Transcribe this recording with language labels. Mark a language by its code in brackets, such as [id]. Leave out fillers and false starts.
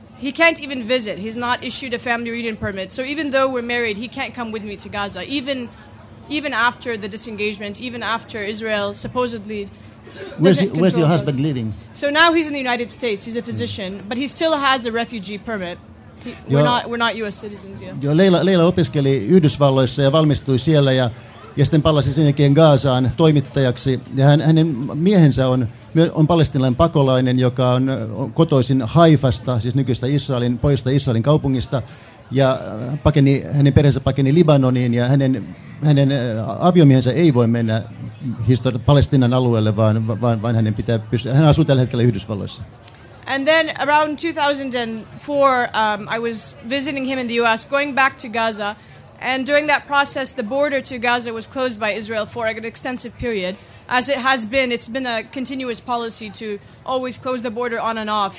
[en] He can't even visit. He's not issued a family reunion permit. So even though we're married, he can't come with me to Gaza, even after the disengagement, even after Israel supposedly Where's your husband living? So now he's in the United States. He's a physician, but he still has a refugee permit. We're not U.S. citizens. [fi] Joo, Leila opiskeli Yhdysvalloissa ja valmistui siellä ja sitten palasi sen jälkeen Gaasaan toimittajaksi. Ja hänen miehensä on palestinalainen pakolainen, joka on kotoisin Haifasta, siis nykyistä Israelin, pohjoista Israelin kaupungista. Ja hänen perheensä pakeni Libanoniin ja hänen aviomiehensä ei voi mennä Palestinan alueelle, vaan hänen pitää pysyä. Hän asuu tällä hetkellä Yhdysvalloissa. [en] And then around 2004, I was visiting him in the U.S., going back to Gaza. And during that process, the border to Gaza was closed by Israel for an extensive period, as it has been. It's been a continuous policy to always close the border on and off.